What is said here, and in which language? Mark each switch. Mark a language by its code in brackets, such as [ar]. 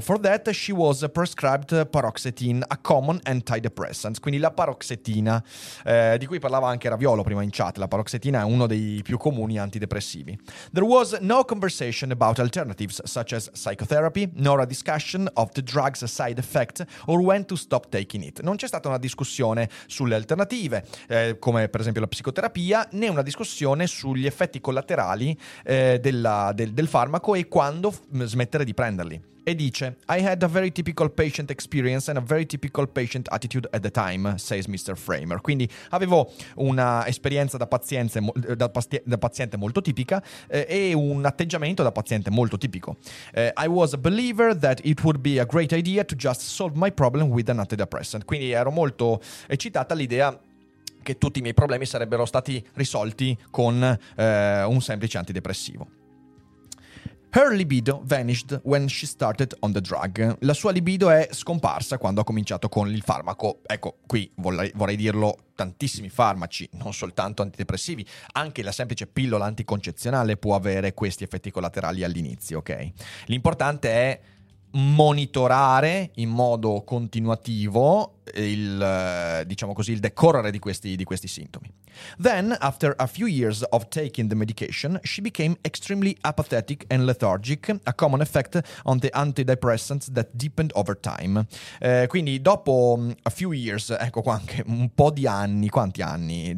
[en] For that, she was prescribed paroxetine, a common antidepressant. [it] Quindi la paroxetina, di cui parlava anche Raviolo prima in chat. La paroxetina è uno dei più comuni antidepressivi. [en] There was no conversation about alternatives, such as psychotherapy, nor a discussion of the drug's side effect or when to stop taking it. [it] Non c'è stata una discussione sulle alternative, come per esempio la psicoterapia, né una discussione sugli effetti collaterali del farmaco e quando smettere di prenderli. E dice, [en] I had a very typical patient experience and a very typical patient attitude at the time, says Mr. Framer. [it] Quindi avevo una esperienza da paziente molto tipica e un atteggiamento da paziente molto tipico. [en] I was a believer that it would be a great idea to just solve my problem with an antidepressant. [it] Quindi ero molto eccitata all'idea che tutti i miei problemi sarebbero stati risolti con un semplice antidepressivo. [en] Her libido vanished when she started on the drug. [it] La sua libido è scomparsa quando ha cominciato con il farmaco. Ecco, qui vorrei dirlo, tantissimi farmaci, non soltanto antidepressivi, anche la semplice pillola anticoncezionale può avere questi effetti collaterali all'inizio, ok? L'importante è monitorare in modo continuativo il decorrere di questi sintomi. [en] Then, after a few years of taking the medication, she became extremely apathetic and lethargic, a common effect on the antidepressants that deepened over time. [it] Quindi dopo [en] a few years, [it] ecco qua anche un po' di anni, quanti anni?